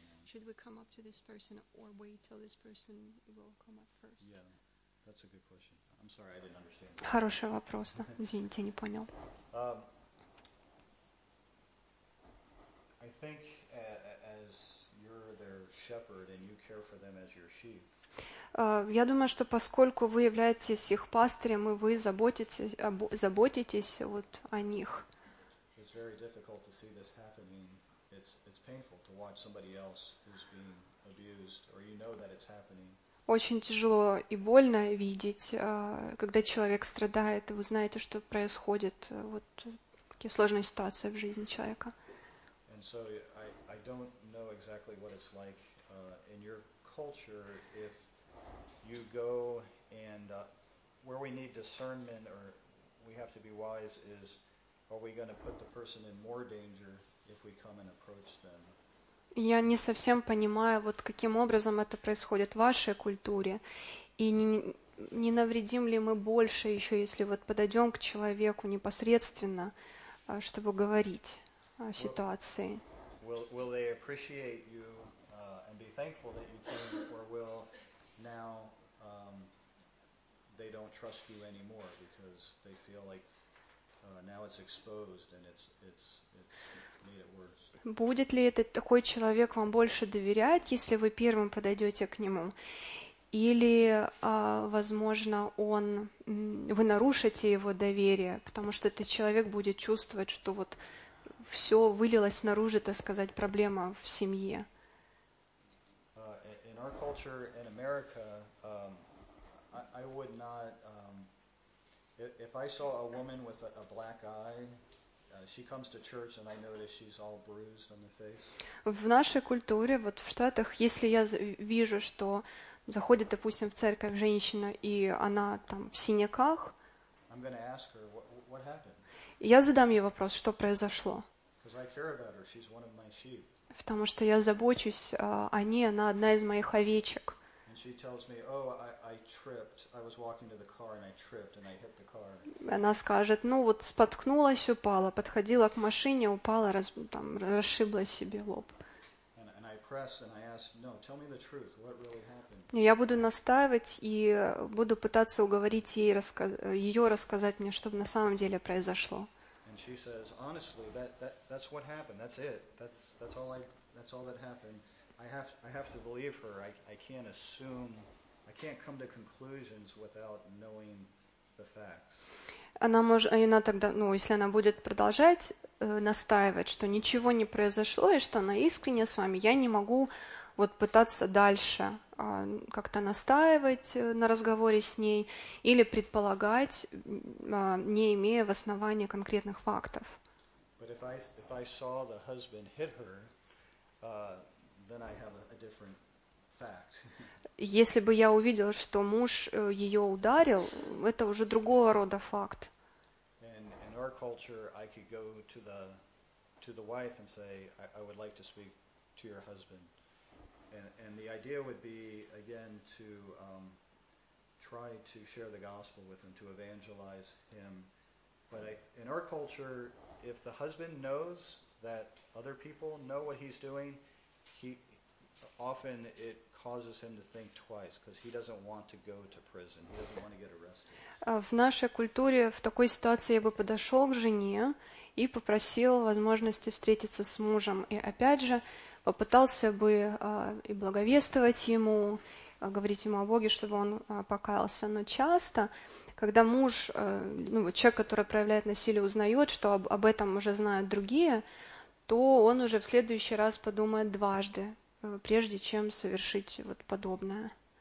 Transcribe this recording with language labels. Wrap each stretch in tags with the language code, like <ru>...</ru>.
<en>Should we come up to this person or wait till this person will come up first? Yeah, that's a good question. I'm sorry, I didn't understand.</en> <ru>Хороший вопрос, да. Извините, не понял.</ru> <en>I think as you're their shepherd and you care for them as your sheep.</en> <ru>Я думаю, что поскольку вы являетесь их пастырем, и вы заботитесь вот о них.</ru> <en>It's very difficult to see this happening. It's painful to watch somebody else who's being abused, or you know that it's happening.</en> <ru>Очень тяжело и больно видеть, когда человек страдает, и вы знаете, что происходит, вот такие сложные ситуации в жизни человека.</ru> <en>And so I don't know. know exactly what it's like in your culture if you go and where we need discernment or we have to be wise is, are we going to put the person in more danger if we come and approach them?</en> <ru>Я не совсем понимаю, вот каким образом это происходит в вашей культуре, и не навредим ли мы больше еще, если вот подойдем к человеку непосредственно, чтобы говорить о ситуации.</ru> <en>Will they appreciate you and be thankful that you came, or will now they don't trust you anymore because they feel like now it's exposed and it's made it worse?</en> <ru>Будет ли этот такой человек вам больше доверять, если вы первым подойдете к нему? Или, возможно, вы нарушите его доверие, потому что этот человек будет чувствовать, что вот все вылилось наружу, так сказать, проблема в семье.</ru> <en>In our culture, in America, I would not, if I saw a woman with a black eye, she comes to church and I notice she's all bruised on the face.</en> <ru>В нашей культуре, вот в Штатах, если я вижу, что заходит, допустим, в церковь женщина, и она там в синяках,</ru> <en>I'm gonna ask her, what happened?</en> <ru>Я задам ей вопрос, что произошло.</ru> <en>Because I care about her, she's one of my sheep.</en> <ru>Потому что я забочусь о ней, она одна из моих овечек.</ru> <en>And she tells me, oh, I tripped, I was walking to the car and I tripped and I hit the car.</en> <ru>Она скажет, ну вот споткнулась, упала, подходила к машине, упала, там расшибла себе лоб.</ru> <en>And I press and I ask, no, tell me the truth, what really happened?</en> <ru>Я буду настаивать и буду пытаться уговорить ей ее рассказать мне, что на самом деле произошло.</ru> <en>And she says, honestly, that's what happened, that's it, that's all that happened. I have to believe her. I can't assume, I can't come to conclusions without knowing the facts.</en> <ru>Она тогда, ну, если она будет продолжать настаивать, что ничего не произошло и что она искренне с вами, я не могу вот пытаться дальше как-то настаивать на разговоре с ней или предполагать, не имея в основании конкретных фактов.</ru> <en>But if I saw the husband hit her, then I have a different fact.</en> <ru>Если бы я увидела, что муж ее ударил, это уже другого рода факт.</ru> <en>In our culture, I could go to the wife and say, I would like to speak to your husband. And the idea would be, again, to try to share the gospel with him, to evangelize him. But in our culture, if the husband knows that other people know what he's doing, often it causes him to think twice, because he doesn't want to go to prison. He doesn't want to get arrested.</en> <ru>В нашей культуре в такой ситуации я бы подошел к жене и попросил возможности встретиться с мужем. И опять же, попытался бы и благовествовать ему, говорить ему о Боге, чтобы он покаялся. Но часто, когда муж, ну, человек, который проявляет насилие, узнает, что об этом уже знают другие, то он уже в следующий раз подумает дважды, прежде чем совершить вот подобное.</ru>